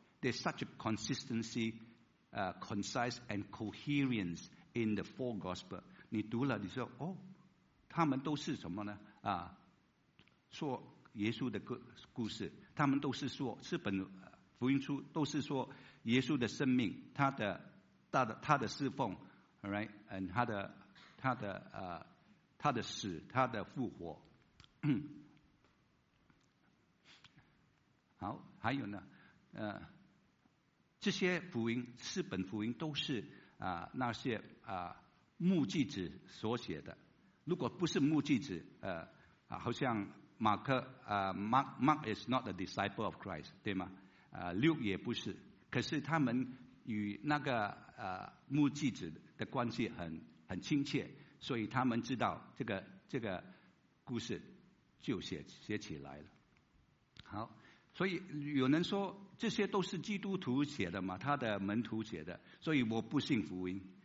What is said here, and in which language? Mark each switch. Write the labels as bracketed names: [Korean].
[English] There's such a consistency, concise and coherence in the four gospels. [Chinese] 你读了你说哦，他们都是什么呢？说耶稣的故事，他们都是说四本福音书都是说耶稣的生命，他的侍奉， [English] right? And [Chinese] 他的他的死，他的复活。好，还有呢，这些福音四本福音都是那些目击者所写的。如果不是目击者，好像 [English] 马克啊、Mark is not a disciple of Christ， [Chinese] 对吗？啊、Luke 也不是，可是他们与那个啊、目击者的关系很亲切，所以他们知道这个故事就写起来了。好，所以有人说这些都是基督徒写的嘛，他的门徒写的，所以我不信福音。